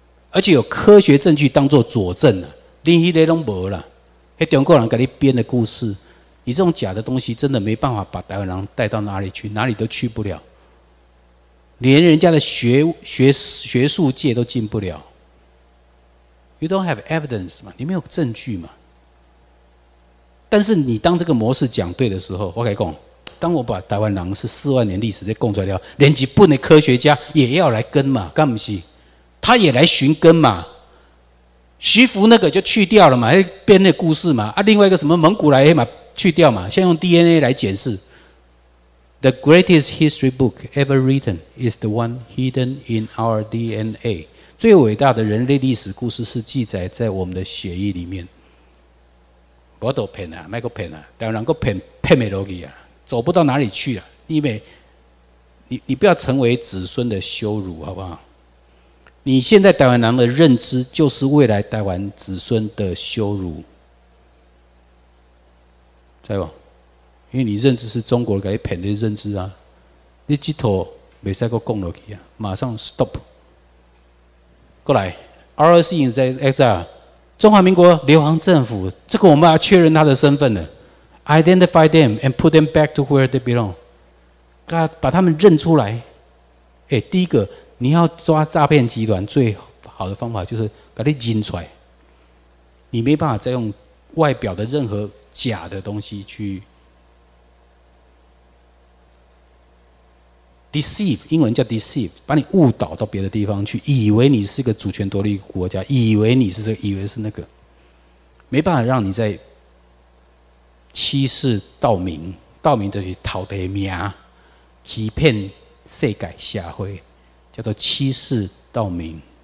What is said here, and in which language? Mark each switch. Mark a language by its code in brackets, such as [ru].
[zh] 而且有科学证据当作佐证啊，另一类拢无啦，迄中国人给你编的故事。你这种假的东西真的没办法把台湾人带到哪里去，哪里都去不了，连人家的学术界都进不了。 [en] You don't have evidence [zh] 嘛，你没有证据嘛。但是你当这个模式讲对的时候，我跟你说，当我把台湾人是四万年历史在供出来了，连日本的科学家也要来跟嘛，干不是他也来寻根嘛，徐福那个就去掉了嘛，编那故事嘛，啊，另外一个什么蒙古来嘛去掉嘛，先用 DNA 来检视。 [en] The greatest history book ever written is the one hidden in our DNA. [zh] 最伟大的人类历史故事是记载在我们的血液里面。不要骗啊，别骗啊，台湾人够骗，骗不下去啊，走不到哪里去啊，因为你不要成为子孙的羞辱，好不好？你现在台湾人的认知就是未来台湾子孙的羞辱。知道吗？因为你认知是中国给你骗的认知啊，你这头不能再讲下去啊，马上 stop 过来。 [en] ROC in exile， [zh] 中华民国流亡政府，这个我们要确认他的身份了。 [en] Identify them and put them back to where they belong， [zh] 把他们认出来。第一个你要抓诈骗集团最好的方法就是给你认出来，你没办法再用外表的任何假的东西去 deceive， 英文叫 deceive， 把你误导到别的地方去，以为你是个主权独立国家，以为你是这个，以为是那个，没办法让你在欺世盗名，盗名就是偷地名，欺骗世界社会，叫做欺世盗名。